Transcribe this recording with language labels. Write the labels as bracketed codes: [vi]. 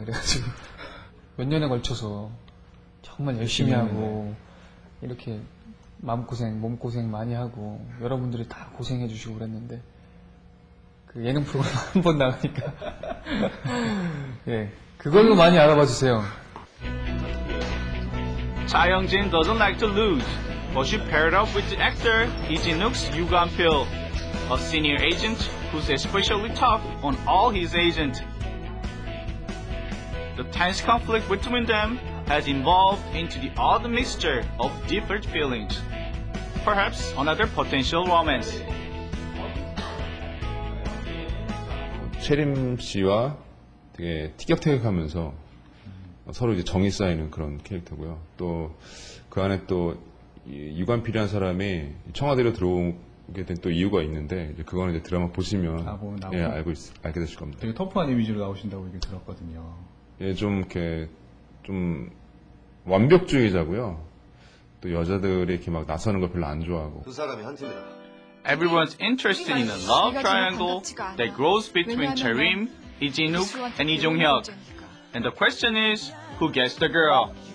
[ko] 그래가지고 몇 년에 걸쳐서 정말 열심히 하고 이렇게 마음고생, 몸고생 많이 하고 여러분들이 다 고생해 주시고 그랬는데 그 예능 프로그램 한 번 나가니까 예 그걸로 많이 알아봐 주세요. [en] Cha Young-jin doesn't like to lose, but she paired up with the actor Lee Jin-wook's Yugan Pil, a senior agent who's especially tough on all his agents. The tense conflict between them has evolved into the odd mixture of different feelings. Perhaps another potential romance. [ko] 최림 씨와 되게 티격태격하면서 서로 이제 정이 쌓이는 그런 캐릭터고요. 또 그 안에 또 유관 필요한 사람이 청와대로 들어오게 된 또 이유가 있는데 이제 그거는 이제 드라마 보시면 예, 알게 되실 겁니다. 되게 터프한 이미지로 나오신다고 이게 들었거든요. 예, 좀 이렇게 좀 완벽주의자고요. 또 여자들이 이렇게 막 나서는 걸 별로 안 좋아하고. 두 사람이 한 팀이라. [en] Everyone's interested in a love triangle that grows between Chaerim, Lee Jin-wook, and Lee Jong-hyuk. And the question is, who gets the girl?